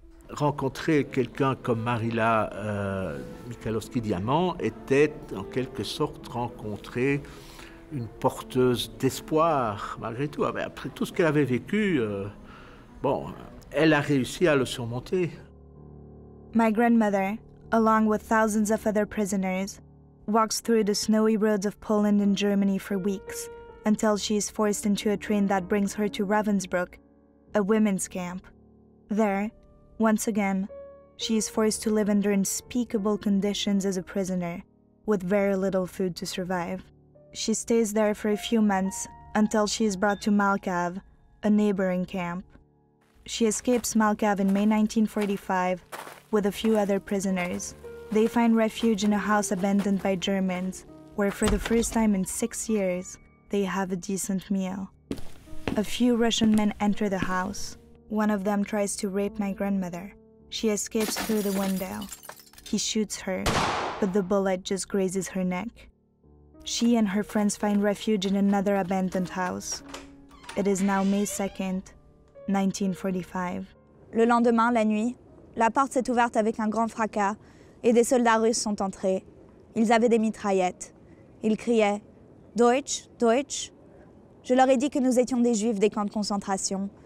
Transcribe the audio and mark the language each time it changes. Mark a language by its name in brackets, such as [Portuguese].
[French] Rencontrer quelqu'un comme Marila Michalowski-Diamant était en quelque sorte rencontrer une porteuse d'espoir, malgré tout. Après tout ce qu'elle avait vécu, elle a réussi à le surmonter. [English] My grandmother, along with thousands of other prisoners, walks through the snowy roads of Poland and Germany for weeks until she is forced into a train that brings her to Ravensbrück, a women's camp. There, once again, she is forced to live under unspeakable conditions as a prisoner, with very little food to survive. She stays there for a few months until she is brought to Malkov, a neighboring camp. She escapes Malkov in May 1945 with a few other prisoners. They find refuge in a house abandoned by Germans, where for the first time in 6 years, they have a decent meal. A few Russian men enter the house. One of them tries to rape my grandmother. She escapes through the window. He shoots her, but the bullet just grazes her neck. She and her friends find refuge in another abandoned house. It is now May 2nd, 1945. [French] Le lendemain, la nuit, la porte s'est ouverte avec un grand fracas et des soldats russes sont entrés. Ils avaient des mitraillettes. Ils criaient « [German] Deutsch, Deutsch ». [French] Je leur ai dit que nous étions des juifs des camps de concentration.